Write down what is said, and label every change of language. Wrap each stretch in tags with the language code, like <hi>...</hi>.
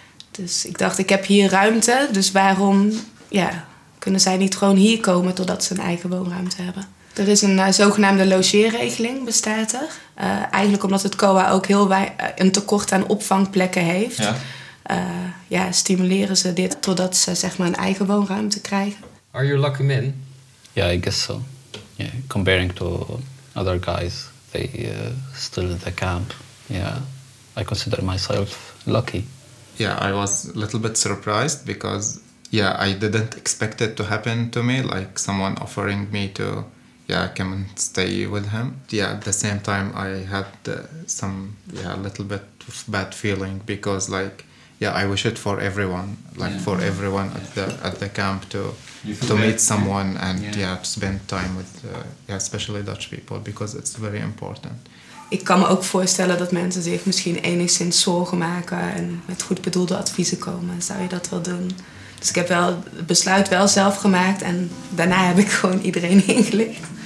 <nl>Dus ik dacht, ik heb hier ruimte, dus waarom... Kunnen zij niet gewoon hier komen totdat ze een eigen woonruimte hebben? Er is een zogenaamde logeerregeling, bestaat er. Eigenlijk omdat het COA ook heel een tekort aan opvangplekken heeft. Ja. Stimuleren ze dit totdat ze zeg maar een eigen woonruimte krijgen.</nl> <en>Are you a lucky man? Yeah, I guess so. Yeah, comparing to other guys, they still in the camp. Yeah, I consider myself lucky. Yeah, I was a little bit surprised because... Yeah, I didn't expect it to happen to me, like someone offering me to come and stay with him. Yeah, at the same time, I had a little bit of bad feeling because I wish it for everyone, for everyone at the camp to meet someone and to spend time with, especially Dutch people, because it's very important.</en> <nl>Ik kan me ook voorstellen dat mensen zich misschien enigszins zorgen maken en met goed bedoelde adviezen komen. Zou je dat wel doen? Dus ik heb wel het besluit wel zelf gemaakt en daarna heb ik gewoon iedereen ingelicht.</nl>